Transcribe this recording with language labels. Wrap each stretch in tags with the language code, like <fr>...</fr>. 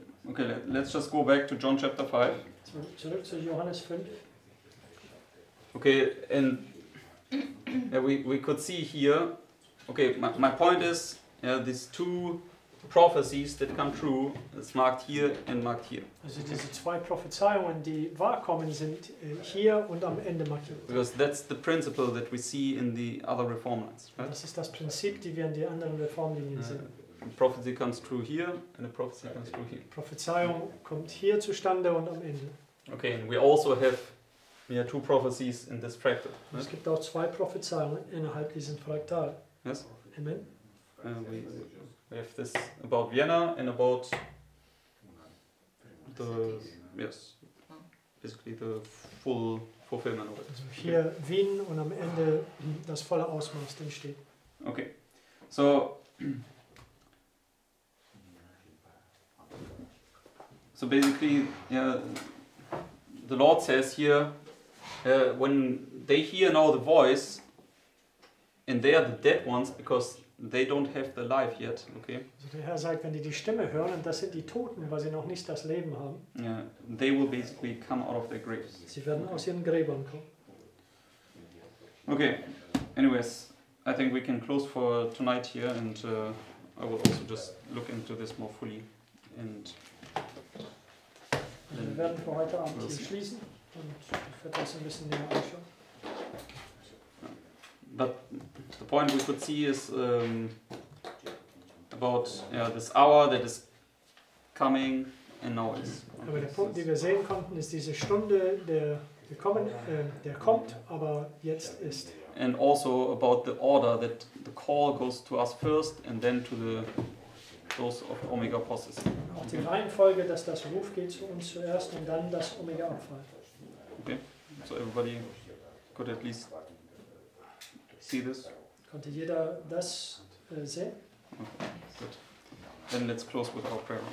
<en>okay, let's just go back to John chapter 5.</en> <de>Zurück zu Johannes 5.</de> <en>Okay, and we could see here, okay, my point is, these two prophecies that come true, it's marked here and marked here.</en> <de>Also diese zwei Prophezeiungen, die wahr kommen, sind hier und am Ende markiert.</de> <en>Because that's the principle that we see in the other reform lines, right?</en> <de>Das ist das Prinzip, die wir in den anderen Reformlinien sehen.</de> <en>Prophecy comes true here and a prophecy comes true here.</en> <de>Prophezeiung kommt hier zustande und am Ende.</de> <en>Okay, and we also have two prophecies in this fractal. Right?</en> <de>Es gibt auch zwei Prophezeiungen innerhalb diesen Fraktal.</de> <en>Yes. Amen. We have this about Vienna and about the, yes, basically the full fulfillment of it.</en> <de>Also hier okay. Wien und am Ende das volle Ausmaß entsteht.</de> <en>Okay, so basically, the Lord says here, when they hear now the voice, and they are the dead ones because they don't have the life yet. Okay.</en> <de>So der Herr sagt, wenn die Stimme hören, und das sind die Toten, weil sie noch nicht das Leben haben.</de> <en>Yeah, they will basically come out of their graves.</en> <de>Sie werden aus ihren Gräbern kommen.</de> <en>Okay. Anyways, I think we can close for tonight here, and I will also just look into this more fully, and.</en> <de>Wir werden für heute Abend hier schließen und ich werde das ein bisschen näher anschauen.</de> <en>But the point we could see is about this hour that is coming and now is.</en> <de>Aber der Punkt, den wir sehen konnten, ist diese Stunde, der kommt, aber jetzt ist.</de> <en>And also about the order that the call goes to us first and then to the those of Omega Possis.</en> <de>Auch die Reihenfolge, dass das Ruf geht zu uns zuerst und dann das Omega Abfall.</de> <en>Okay, so everybody could at least see this.</en> <de>Konnte jeder das sehen?</de> <en>Okay, good. Then let's close with our prayer.</en>